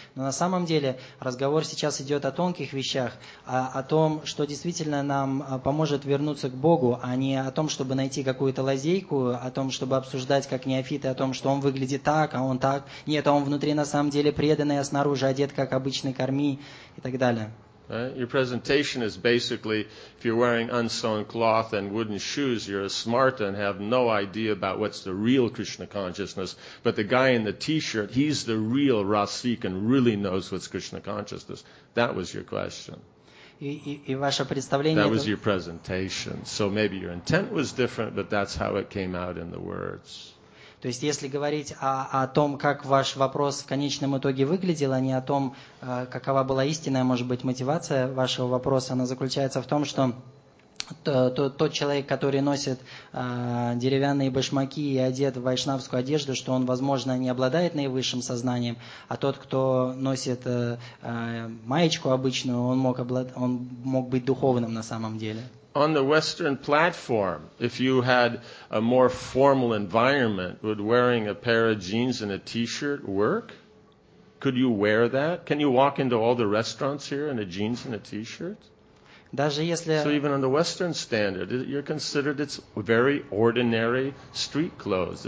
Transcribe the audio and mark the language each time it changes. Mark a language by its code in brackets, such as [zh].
[ru] Но на самом деле разговор сейчас идет о тонких вещах, о том, что действительно нам поможет вернуться к Богу, а не о том, чтобы найти какую-то лазейку, о том, чтобы обсуждать как неофиты, о том, что он выглядит так, а он так. Нет, он внутри на самом деле преданный, а снаружи одет как обычный корми и так далее. [en] Your presentation is basically, if you're wearing unsewn cloth and wooden shoes, you're a smart and have no idea about what's the real Krishna consciousness. But the guy in the t-shirt, he's the real rasik and really knows what's Krishna consciousness. That was your question. [ru] И ваше представление... [en] That was your presentation. So maybe your intent was different, but that's how it came out in the words. [ru] То есть, если говорить о том, как ваш вопрос в конечном итоге выглядел, а не о том, какова была истинная, может быть, мотивация вашего вопроса, она заключается в том, что тот человек, который носит деревянные башмаки и одет в вайшнавскую одежду, что он, возможно, не обладает наивысшим сознанием, а тот, кто носит маечку обычную, он мог быть духовным на самом деле. [en] On the Western platform, if you had a more formal environment, would wearing a pair of jeans and a t-shirt work? Could you wear that? Can you walk into all the restaurants here in a jeans and a t-shirt? [ru] Даже если... [en] So even on the Western standard, you're considered it's very ordinary street clothes.